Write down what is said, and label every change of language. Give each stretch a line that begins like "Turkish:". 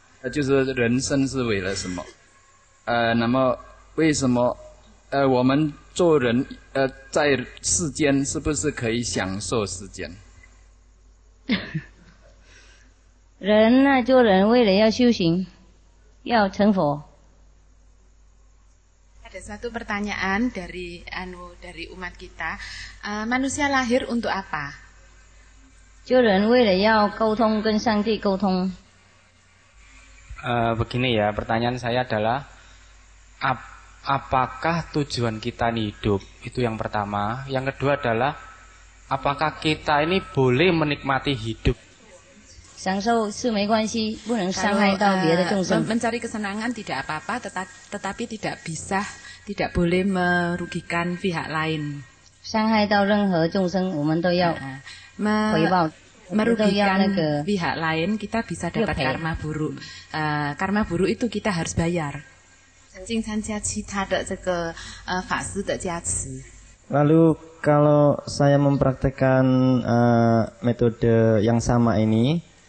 Chinese: 就是人生是为了什么？那么为什么？我们做人，在世间是不是可以享受世间？人呢、啊？做人为了要修行，要成佛。
Indonesian: Ada satu pertanyaan dari dari umat kita, manusia lahir untuk apa?
Chinese: 做人为了要沟通跟上帝沟通。
Indonesian: Begini ya, pertanyaan saya adalah apakah tujuan kita ini hidup? Itu yang pertama. Yang kedua adalah apakah kita ini boleh menikmati hidup?
Chinese: 享受是没关系，不能伤害到别的众生。
Indonesian: Mencari kesenangan tidak apa-apa, tetapi tidak boleh merugikan pihak lain.
Chinese: 伤害到任何众生，我们都要回报。
Indonesian: Merugikan pihak lain, kita bisa dapat karma buruk. Karma buruk itu kita harus bayar.
Chinese: 曾经参加其他的这个法师的加持。
Indonesian: Lalu kalau saya mempraktekkan metode yang sama ini.